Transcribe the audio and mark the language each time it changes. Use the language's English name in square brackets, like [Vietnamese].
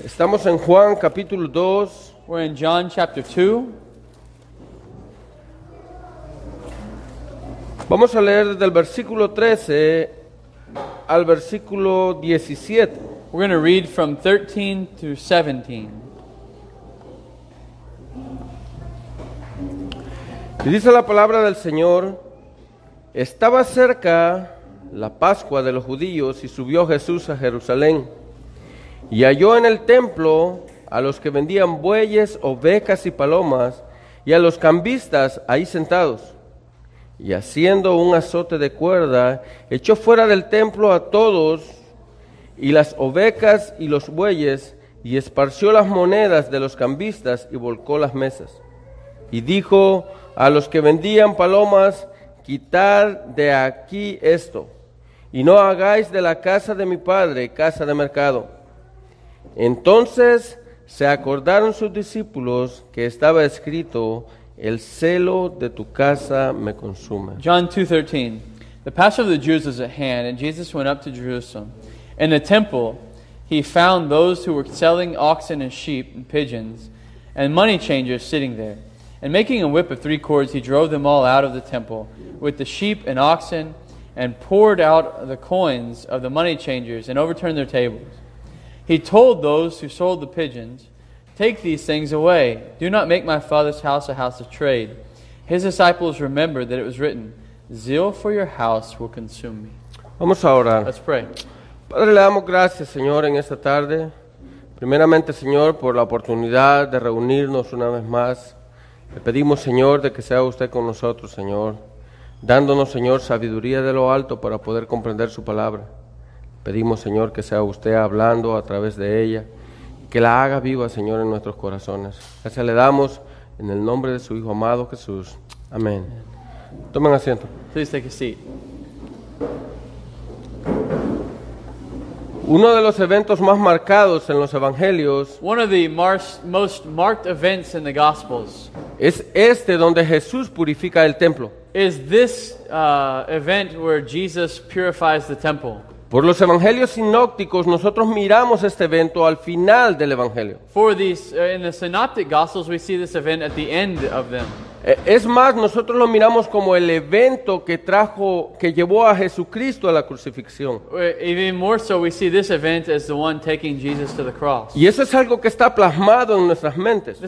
[Spanish] Estamos en Juan capítulo 2. [English] We're in John chapter 2. [Spanish] Vamos a leer desde el versículo 13 al versículo 17. [English] We're going to read from 13 to 17. [Spanish] Y dice la palabra del Señor: Estaba cerca la Pascua de los judíos y subió Jesús a Jerusalén. Y halló en el templo a los que vendían bueyes, ovejas y palomas, y a los cambistas ahí sentados. Y haciendo un azote de cuerda, echó fuera del templo a todos, y las ovejas y los bueyes, y esparció las monedas de los cambistas y volcó las mesas. Y dijo a los que vendían palomas, quitad de aquí esto, y no hagáis de la casa de mi padre casa de mercado. Entonces se acordaron sus discípulos que estaba escrito, El celo de tu casa me consume. [English] John 2:13. The Passover of the Jews was at hand, and Jesus went up to Jerusalem. In the temple, he found those who were selling oxen and sheep and pigeons, and money changers sitting there. And making a whip of three cords, he drove them all out of the temple with the sheep and oxen, and poured out the coins of the money changers and overturned their tables. He told those who sold the pigeons, Take these things away. Do not make my father's house a house of trade. His disciples remembered that it was written, Zeal for your house will consume me. [Spanish] Vamos a orar. [English] Let's pray. [Spanish] Padre, le damos gracias, Señor, en esta tarde. Primeramente, Señor, por la oportunidad de reunirnos una vez más. Le pedimos, Señor, de que sea usted con nosotros, Señor, dándonos, Señor, sabiduría de lo alto para poder comprender su palabra. Pedimos, Señor, que sea usted hablando a través de ella, que la haga viva, Señor, en nuestros corazones. Gracias le damos en el nombre de su Hijo amado, Jesús. Amén. Tomen asiento. [English] Please take a seat. [Spanish] Uno de los eventos más marcados en los Evangelios, [English] one of the most marked events in the Gospels, [Spanish] es este donde Jesús purifica el templo. [English] Is this event where Jesus purifies the temple. [Spanish] Por los evangelios sinópticos, nosotros miramos este evento al final del evangelio. [English] For these, in the synoptic gospels, we see this event at the end of them. [Spanish] Es más, nosotros lo miramos como el evento que trajo, que llevó a Jesucristo a la crucifixión. [English] Even more so, we see this event as the one taking Jesus to the cross. [Spanish] Y eso es algo que está plasmado en nuestras mentes.